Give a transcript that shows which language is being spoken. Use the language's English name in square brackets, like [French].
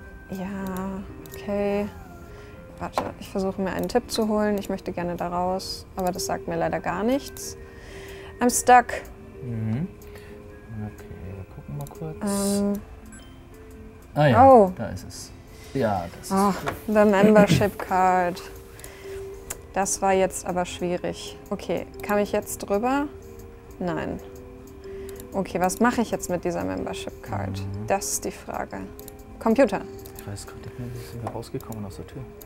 [German] Ja, okay. Warte, ich versuche mir einen Tipp zu holen. Ich möchte gerne da raus, aber das sagt mir leider gar nichts. [English] I'm stuck. Mhm. [German] Okay, wir gucken mal kurz. Ah ja, oh. Da ist es. Ja, das ist. [English] Ach, the membership card. [German] Das war jetzt aber schwierig. Okay, kam ich jetzt drüber? Nein. Okay, was mache ich jetzt mit dieser membership card? Mhm. Das ist die Frage. Computer. Ich weiß gerade nicht mehr, wie sind wir rausgekommen aus der Tür.